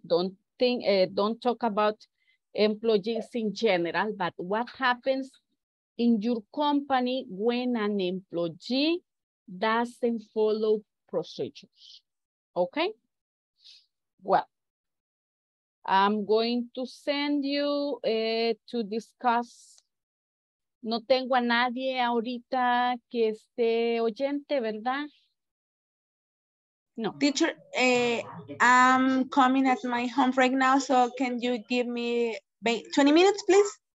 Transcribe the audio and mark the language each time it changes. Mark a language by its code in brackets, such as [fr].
[en] Don't talk about employees in general, but what happens in your company when an employee doesn't follow procedures? Okay, well, I'm going to send you to discuss. [es] No tengo a nadie ahorita que esté oyente, ¿verdad? No. [en] Teacher, I'm coming at my home right now, so can you give me 20 minutes, please?